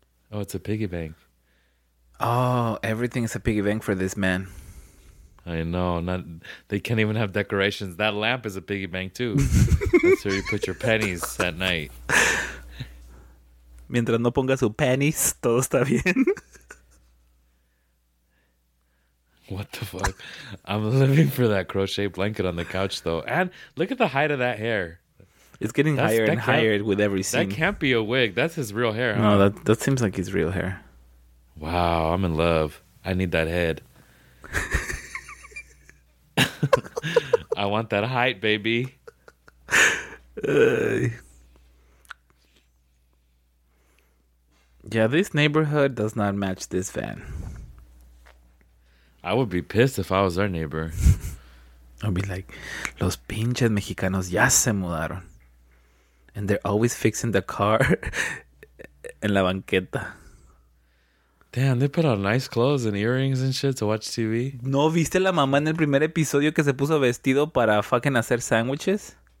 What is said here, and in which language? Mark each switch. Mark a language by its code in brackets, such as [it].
[en] Oh, it's a piggy bank. Oh, everything is a piggy bank for this man. I know. They can't even have decorations. That lamp is a piggy bank too. That's where you put your pennies at night. [es] Mientras no ponga su pennies, todo está bien. [en] What the fuck? I'm living for that crochet blanket on the couch, though. And look at the height of that hair. It's getting higher and higher with every scene. That can't be a wig. That's his real hair. No, huh? that seems like his real hair. Wow, I'm in love. I need that head. I want that height, baby. Yeah, this neighborhood does not match this van. I would be pissed if I was their neighbor. I'd be like, [es] los pinches mexicanos ya se mudaron. [en] And they're always fixing the car [es] en la banqueta. [en] Damn, they put on nice clothes and earrings and shit to watch TV. [es] ¿No viste la mamá en el primer episodio que se puso vestido para fucking hacer sandwiches?